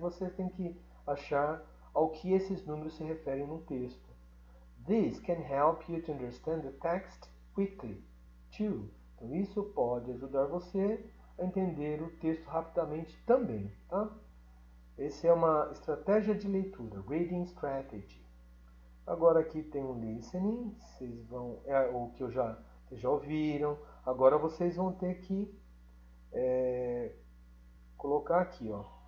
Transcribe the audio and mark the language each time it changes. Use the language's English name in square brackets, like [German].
[Portuguese] E você tem que achar ao que esses números se referem no texto. [English] This can help you to understand the text quickly, too. [Portuguese] Então, isso pode ajudar você a entender o texto rapidamente também, tá? Essa é uma estratégia de leitura, reading strategy. Agora aqui tem um listening, é o que vocês já ouviram. Agora vocês vão ter que colocar aqui, ó.